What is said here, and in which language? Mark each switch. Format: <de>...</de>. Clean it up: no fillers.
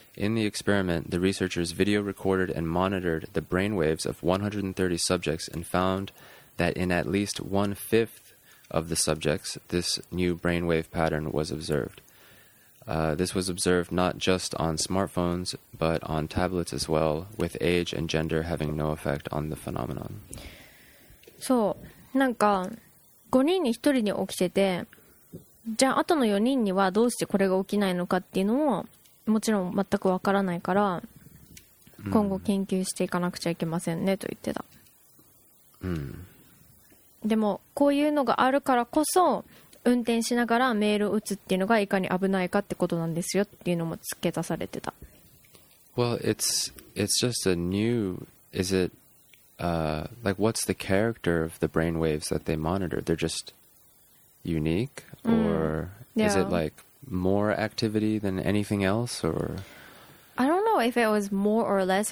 <en>In the experiment, the researchers video recorded and monitored the brain waves of 130 subjects and found that in at least 1/5 of the subjects, this new brainwave pattern was observed. This was observed not just on smartphones, but on tablets as well, with age and gender having no effect on the phenomenon.</en> <ja>So, なんか5人に1人に起きてて、じゃああとの4人にはどうしてこれが起きないのかっていうのももちろん全くわからないから、今後研究していかなくちゃいけませんねと言ってた。うん。でもこういうのがあるからこそ運転しながらメールを打つっていうのがいかに危ないかってことなんですよっていうのも付け足されてた。</ja> <en>Well, it's just a new. Is it like what's the character of the brain waves that they monitor? They're just unique, or is it like more activity than anything else, or I don't know if it was more or less.</en>